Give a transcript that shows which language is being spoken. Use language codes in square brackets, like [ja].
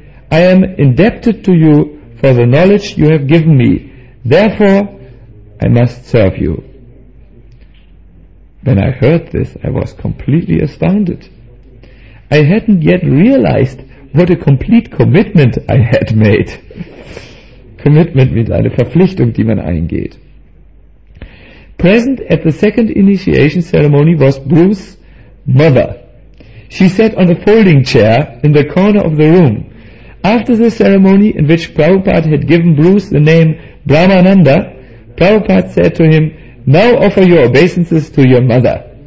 [en] I am indebted to you for the knowledge you have given me. Therefore, I must serve you." When I heard this, I was completely astounded. I hadn't yet realized what a complete commitment I had made. Commitment means [de] eine Verpflichtung, die man eingeht. [en] Present at the second initiation ceremony was Bruce's mother. She sat on a folding chair in the corner of the room. After the ceremony in which Prabhupada had given Bruce the name Brahmananda, Prabhupada said to him, "Now offer your obeisances to your mother."